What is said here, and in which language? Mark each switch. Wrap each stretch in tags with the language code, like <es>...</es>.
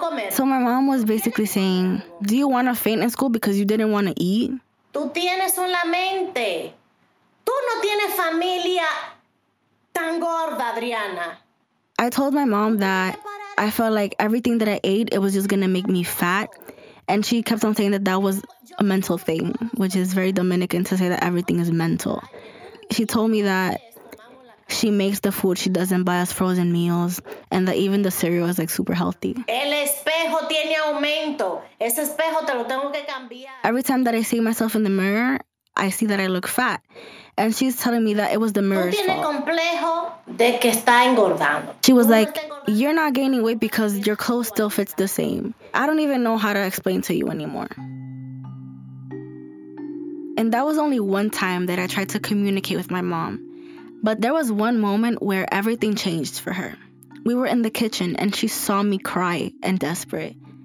<en>So my mom was basically saying, do you want to faint in school because you didn't want to eat?</en> <es>Tú tienes una mente. Tú no tienes familia tan gorda, Adriana.</es> <en>I told my mom that I felt like everything that I ate, it was just going to make me fat. And she kept on saying that that was a mental thing, which is very Dominican to say that everything is mental. She told me that she makes the food. She doesn't buy us frozen meals. And that even the cereal is, like, super healthy.</en> <es>El espejo tiene aumento. Ese espejo te lo tengo que cambiar.</es> <en>Every time that I see myself in the mirror, I see that I look fat. And she's telling me that it was the mirror's</en> <es>fault. Tú tienes complejo de que está engordando.</es> <en>She was like, you're not gaining weight because your clothes still fits the same. I don't even know how to explain to you anymore. And that was only one time that I tried to communicate with my mom. But there was one moment where everything changed for her. We were in the kitchen and she saw me cry and desperate.</en>